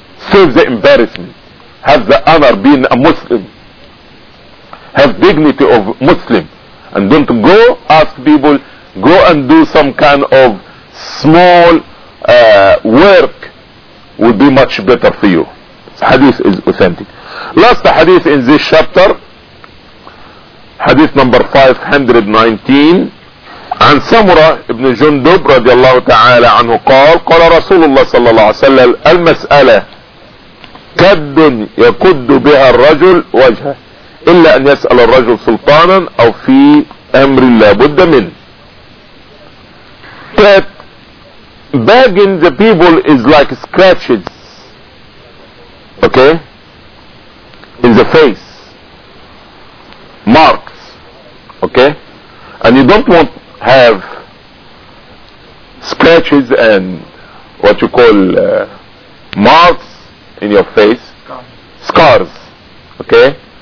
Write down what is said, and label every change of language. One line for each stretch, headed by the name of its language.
English: Save the embarrassment. Have the honor being a Muslim. Have dignity of Muslim, and don't go ask people, go and do some kind of small work, would be much better for you. So hadith is authentic. Last hadith in this chapter, hadith number 519,
Arabic: عن سمرة ابن جندب رضي الله تعالى عنه قال قال رسول الله صلى الله عليه وسلم المسألة كد يكد بها الرجل وجهه إلا أن يسأل الرجل سلطانا أو في أمر لا بد منه.
English: That begging the people is like scratches, okay, in the face, marks, okay, and you don't want have scratches and what you call marks in your face, scars, okay.